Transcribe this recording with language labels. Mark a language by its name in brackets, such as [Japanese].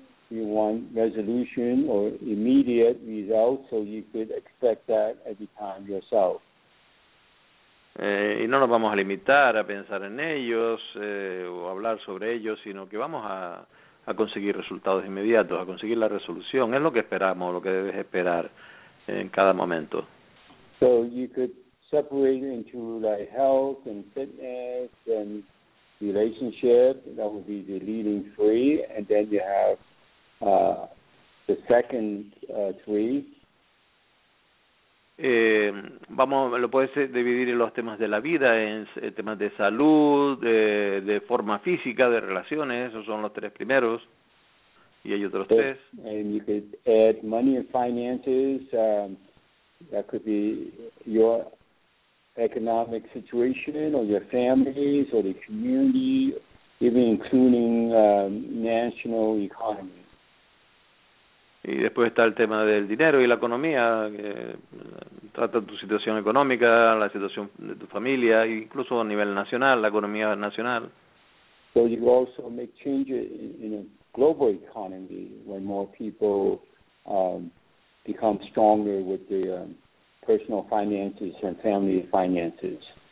[English] We want resolution or immediate results, so you could expect that every time yourself. [Spanish] Y no nos vamos a limitar a pensar en ellos o hablar sobre ellos, sino que vamos a conseguir resultados inmediatos, a conseguir la resolución. Es lo que esperamos, lo que debes esperar en cada momento. [English] So you could separate into like health and fitness and relationship. That would be the leading three. And then you have the second three. [Spanish] Lo puedes dividir en los temas de la vida, en temas de salud, de forma física, de relaciones. Esos son los tres primeros, y hay otros tres. [English] And you could add money and finances. That could be your economic situation, or your families, or the community, even including national economy. [Spanish] Y después está el tema del dinero y la economía, que trata tu situación económica, la situación de tu familia, incluso a nivel nacional, la economía nacional. [English] So you also make changes in a global economy when more people become stronger with their personal finances and family finances.